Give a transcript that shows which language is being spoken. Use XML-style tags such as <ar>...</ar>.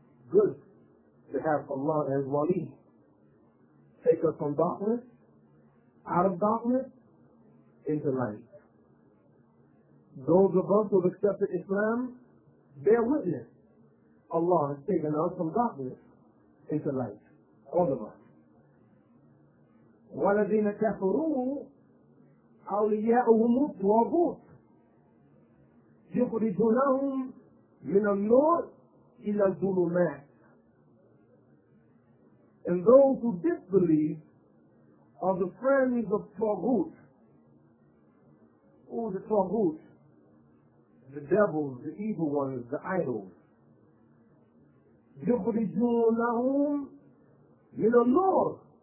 <en>Good to have Allah as wali. Take us from darkness, out of darkness, into light. Those of us who have accepted Islam, bear witness. Allah has taken us from darkness into light. All of us.</en> <ar>وَالَذِينَ كَفَرُوا أولياؤهم الطاغوت يخرجونهم من النور إلى الظلمات.</ar> <en>And those who disbelieve are the friends of طاغوت. Who is the طاغوت? The devils, the evil ones, the idols.</en> <ar>يخرجونهم من النور.</ar>